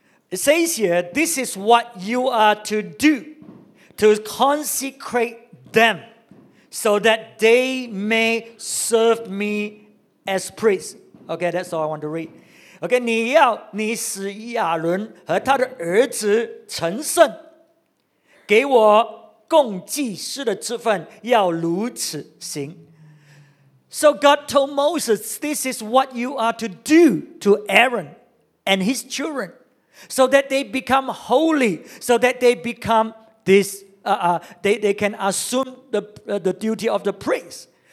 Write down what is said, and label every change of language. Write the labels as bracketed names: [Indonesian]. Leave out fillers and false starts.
[English] It says here, this is what you are to do. To consecrate them so that they may serve me as priests. Okay, that's all I want to read. [Chinese] Okay, 你要你使亚伦和他的儿子成圣，给我供祭司的职分，要如此行。 [English] So God told Moses, this is what you are to do to Aaron and his children so that they become holy, so that they become this. They can assume the duty of the priest.